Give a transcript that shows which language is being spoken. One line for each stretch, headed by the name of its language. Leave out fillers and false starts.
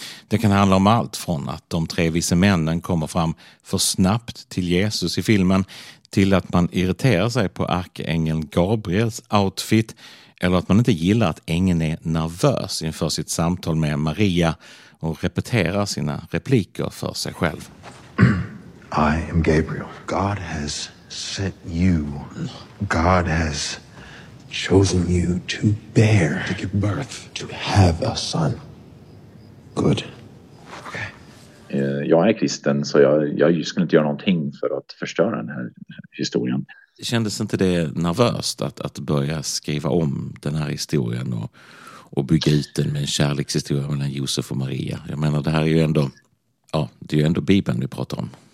Swedish: Det kan handla om allt från att de tre vise männen kommer fram för snabbt till Jesus i filmen till att man irriterar sig på arkeängeln Gabriels outfit eller att man inte gillar att ängeln är nervös inför sitt samtal med Maria och repeterar sina repliker för sig själv.
English: I am Gabriel. God has sent you. God has chosen you to bear, to give birth, to have a son. Good. Okay.
Swedish: Jag är kristen, så jag skulle inte göra någonting för att förstöra den här historien. Kändes inte det nervöst att börja skriva om den här historien och bygga ut den med en kärlekshistoria mellan Josef och Maria? Jag menar, det här är ju ändå, ja, det är ju ändå Bibeln vi pratar om.